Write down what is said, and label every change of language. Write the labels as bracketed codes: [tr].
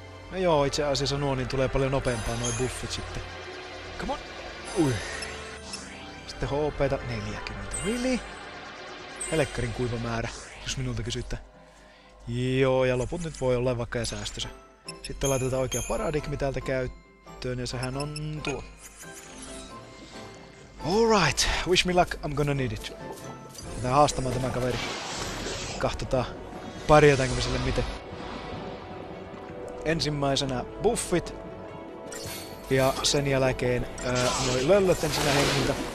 [fi] No joo, itse asiassa nuo niin tulee paljon nopeampaa noin buffit sitten. [en] Come on! [fi] Ui! Sitten HP:ta 40 milli. Helekkarin kuiva määrä, jos minulta kysytte. Joo, ja loput nyt voi olla vaikka ja säästössä. Sitten laitetaan oikea paradigmi täältä käyttöön, ja sehän on tuo. [en] Alright, wish me luck, I'm gonna need it. [fi] Lähdetään haastamaan tämä kaveri. Katsotaan, pärjätäänkö me sille miten. Ensimmäisenä buffit. Ja sen jälkeen noi löllöt ensinnä hengiltä.